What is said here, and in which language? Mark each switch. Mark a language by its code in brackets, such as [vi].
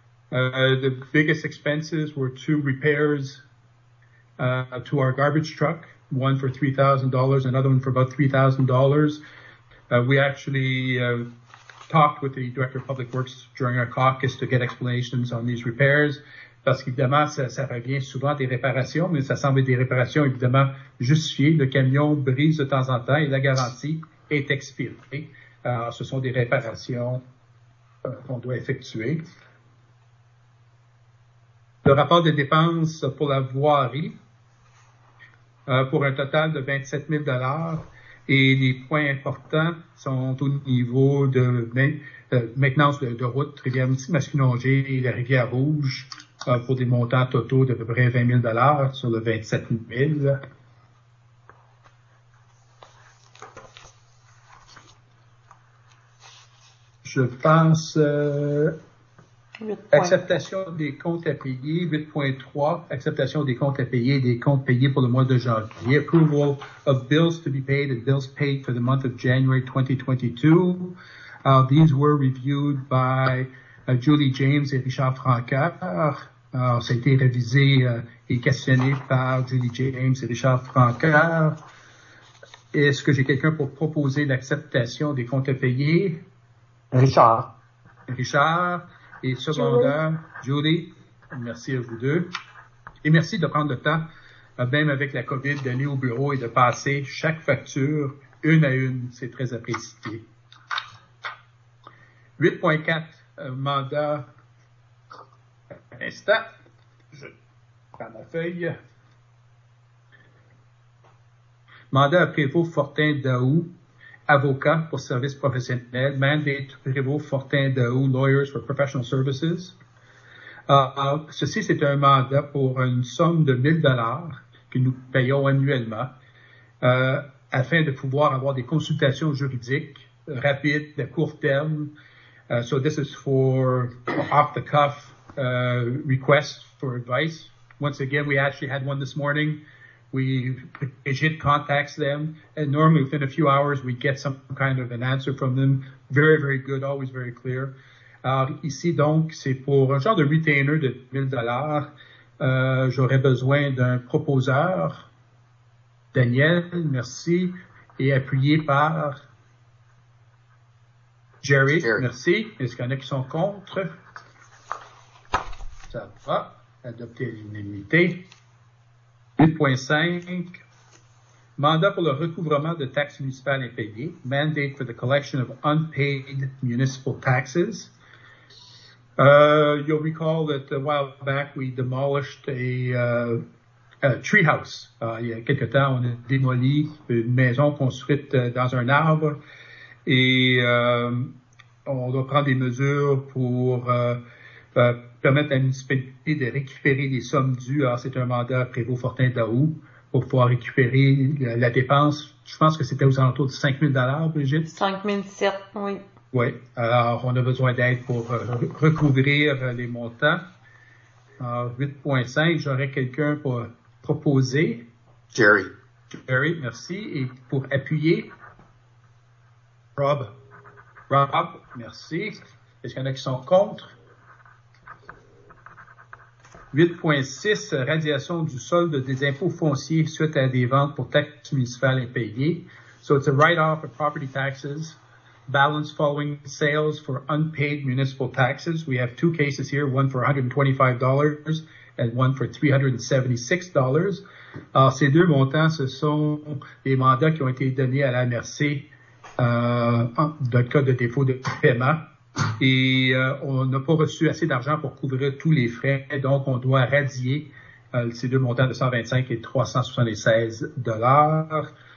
[en] The biggest expenses were 2 repairs to our garbage truck, one for $3,000, another one for about $3,000. We actually talked with the Director of Public Works during our caucus to get explanations on these repairs. [fr] Parce qu'évidemment, ça revient souvent des réparations, mais ça semble être des réparations évidemment justifiées. Le camion brise de temps en temps et la garantie est expirée. Alors, ce sont des réparations qu'on doit effectuer. Le rapport de dépenses pour la voirie, pour un total de 27 000 $. Et les points importants sont au niveau de maintenance de route, rivière Maskinongée et la rivière Rouge, pour des montants totaux d'à peu près 20 000 $ sur le 27 000. je pense, 8. Acceptation des comptes à payer, 8.3, acceptation des comptes à payer et des comptes payés pour le mois de janvier. [en] Approval of bills to be paid and bills paid for the month of January 2022. These were reviewed by Julie James et Richard Francaire. [fr] Alors, ça a été révisé et questionné par Julie James et Richard Francaire. Est-ce que j'ai quelqu'un pour proposer l'acceptation des comptes à payer? Richard. Richard. Et secondaire, Julie. Merci à vous deux. Et merci de prendre le temps, même avec la COVID, d'aller au bureau et de passer chaque facture une à une. C'est très apprécié. 8.4, mandat. Un instant. Je prends ma feuille. Mandat à Prévost-Fortin-Daou, avocat pour services professionnels. [en] Mandate Prévost-Fortin-Daou, lawyers for professional services. [fr] Ceci, c'est un mandat pour une somme de 1 000 que nous payons annuellement afin de pouvoir avoir des consultations juridiques rapides, de court terme. [en] So this is for off-the-cuff requests for advice. Once again, we actually had one this morning. Brigitte contacts them, and normally within a few hours, we get some kind of an answer from them. Very, very good, always very clear. [fr] Ici, donc, c'est pour un genre de retainer de 1 000. J'aurais besoin d'un proposeur, Daniel, merci, et appuyé par Jerry, merci. Est-ce qu'il y en a qui sont contre? Ça va, adopté à l'unanimité. 8.5, mandat pour le recouvrement de taxes municipales impayées, [en] mandate for the collection of unpaid municipal taxes. You'll recall that a while back we demolished a treehouse. [fr] Il y a quelque temps, on a démoli une maison construite dans un arbre et on doit prendre des mesures pour permettre à la municipalité de récupérer les sommes dues. Alors, c'est un mandat Prévost-Fortin-Daou pour pouvoir récupérer la dépense. Je pense que c'était aux alentours de 5 000 $, Brigitte. 5 000 $, oui. Oui. Alors, on a besoin d'aide pour recouvrir les montants. Alors, 8.5, j'aurais quelqu'un pour proposer. Jerry. Jerry, merci. Et pour appuyer, Rob. Rob, merci. Est-ce qu'il y en a qui sont contre? 8.6, radiation du solde des impôts fonciers suite à des ventes pour taxes municipales impayées. [en] So it's a write-off of property taxes, balance following sales for unpaid municipal taxes. We have two cases here, one for $125 and one for $376. [fr] Alors, ces deux montants, ce sont des mandats qui ont été donnés à la MRC dans le cas de défaut de paiement. Et on n'a pas reçu assez d'argent pour couvrir tous les frais, donc on doit radier ces deux montants de 125 et 376 $.